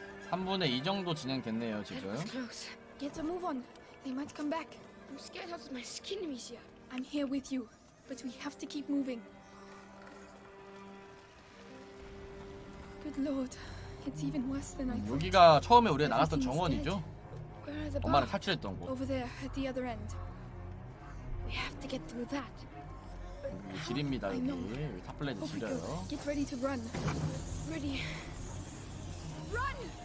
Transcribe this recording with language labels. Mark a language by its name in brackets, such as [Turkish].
[Korean] 3분의 2 정도 진행됐네요, 지금. [English] Get a move on. They might come back. I'm scared out of my skin, Amicia. I'm here with you, but we have to keep moving. Good Lord, it's even worse than I thought. [Korean] 여기가 처음에 우리가 나갔던 정원이죠. 엄마를 탈출했던 곳. [English] Over there, at the other end. We have to get through that. [Korean] 길입니다, 여기. 탑플랜드 진짜요. [English] Get ready to run. Ready. Run!